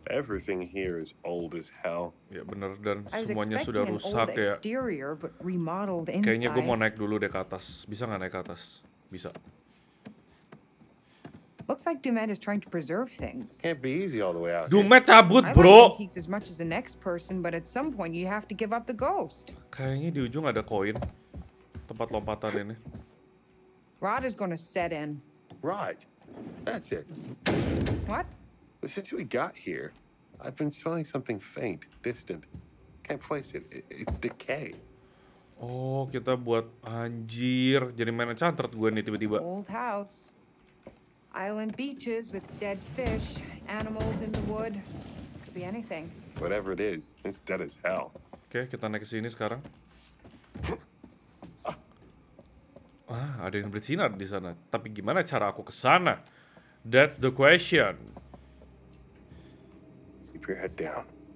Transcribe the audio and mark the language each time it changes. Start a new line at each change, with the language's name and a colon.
English: Everything here is old as hell.
Indonesian: Ya benar, dan semuanya sudah rusak ya. Kayaknya gue mau naik dulu deh ke atas. Bisa nggak naik ke atas? Bisa.
English: Looks like Dumet is trying to preserve things. Can't be easy all the way out.
Indonesian: Dumet cabut, bro.
English: I like antiques as much as the next person, but at some point you have to give up the ghost.
Indonesian: Kayaknya di ujung ada koin. Tempat lompatan ini.
English: Rot is gonna set in. Right. That's it. What? Since we got here, I've been smelling something faint, distant. Can't place it. It's decay.
Indonesian: Oh, kita buat anjir. Jadi main enchanted gue nih tiba-tiba.
English: Old house. Island beaches with dead fish, animals in the wood. Could be anything. Whatever it is, it's dead as hell.
Indonesian: Oke, kita naik ke sini sekarang. Ah, ada yang bersinar di sana. Tapi gimana cara aku ke sana?
English: That's the question. Keep your head down.